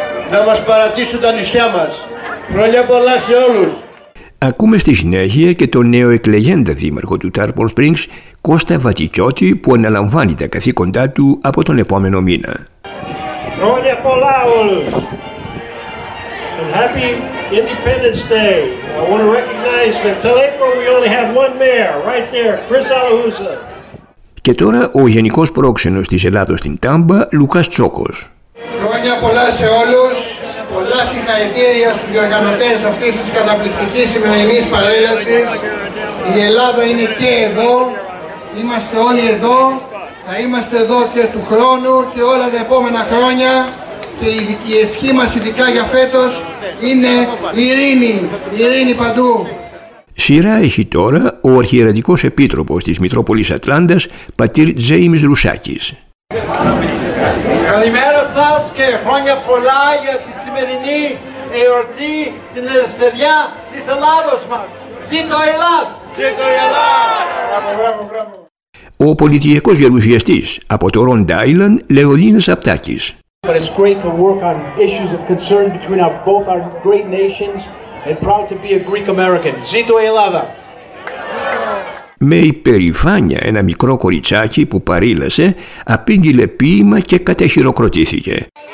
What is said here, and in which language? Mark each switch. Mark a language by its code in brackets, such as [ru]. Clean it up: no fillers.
[el] Να μας παρατήσουν τα νησιά μας. Χρόνια πολλά σε όλους. Ακούμε στη συνέχεια και τον νέο εκλεγέντα δήμαρχο του Tarpon Springs, Κώστα Βατικιώτη, που αναλαμβάνει τα καθήκοντά του από τον επόμενο μήνα. Χρόνια πολλά όλους. [en] And happy Independence Day. I want to recognize that till April we only have one mayor, right there, Chris Alahousa. [el] Και τώρα ο γενικός πρόξενος της Ελλάδος στην Τάμπα, Λουκάς Τσόκος. Χρόνια πολλά σε όλους. Πολλά συγχαρητήρια στους διοργανωτές αυτής της καταπληκτικής σημερινής παρέλασης. Η Ελλάδα είναι και εδώ. Είμαστε όλοι εδώ. Θα είμαστε εδώ και του χρόνου και όλα τα επόμενα χρόνια. Και η ευχή μας ειδικά για φέτος είναι ειρήνη. Ειρήνη παντού. Σειρά έχει τώρα ο Αρχιερατικός Επίτροπος της Μητρόπολης Ατλάντας, πατήρ Τζέιμς Ρουσάκης. Καλημέρα σας και χρόνια πολλά για τη σημερινή εορτή την ελευθερία της Ελλάδος μας. Ζήτω η Ελλάς! Ζήτω η Ελλάς! Μπράβο, μπράβο, μπράβο. Ο πολιτιακός γερουσιαστής από το Ρόντ Άιλαντ, Λεωνίδας Απτάκης. [en] But it's great to work on issues of concern between our, both our great nations. And proud to be a Greek American. [el] Zito Elava. Με υπερηφάνεια ένα μικρό κοριτσάκι που παρήλασε απήγγειλε ποίημα και κατεχειροκροτήθηκε.